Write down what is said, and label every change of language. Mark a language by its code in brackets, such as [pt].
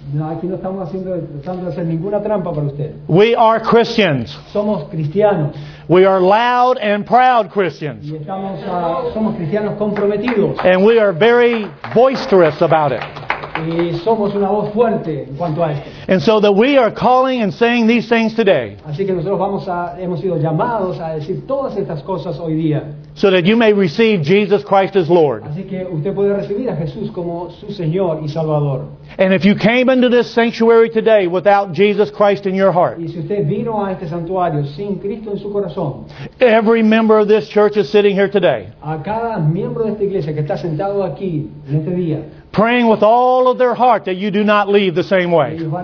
[es] No, aquí no estamos haciendo, tratando de hacer ninguna trampa para usted. [en] We are Christians. [es] Somos cristianos. [en] We are loud and proud Christians. [es] Y estamos, somos cristianos comprometidos. [en] And we are very boisterous about it. [es] Y somos una voz fuerte en cuanto a esto. [en] And so that we are calling and saying these things today. [es] Así que nosotros vamos a, hemos sido llamados a decir todas estas cosas hoy día. [en] So that you may receive Jesus Christ as Lord. [es] Así que usted puede recibir a Jesús como su Señor y Salvador. [en] And if you came into this sanctuary today without Jesus Christ in your heart, [es] y si usted vino a este santuario sin Cristo en su corazón, [en] every member of this church is sitting here today. [es] A cada miembro de esta iglesia que está sentado aquí en este día, [en] praying with all of their heart that you do not leave the same way.